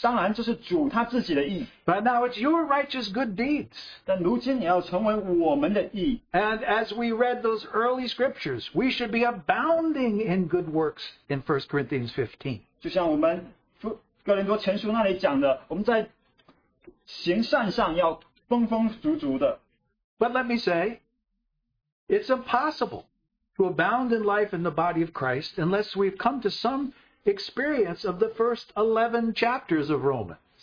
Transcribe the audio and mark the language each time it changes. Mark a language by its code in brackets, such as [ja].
[zh] 当然这是主他自己的义. [en] But now it's your righteous good deeds. [zh] 但如今你要成为我们的义. [en] And as we read those early scriptures, we should be abounding in good works in 1 Corinthians 15. [zh] 就像我们哥林多前书那里讲的, 我们在行善上要丰丰足足的. [en] But let me say, it's impossible to abound in life in the body of Christ unless we've come to some experience of the first 11 chapters of Romans.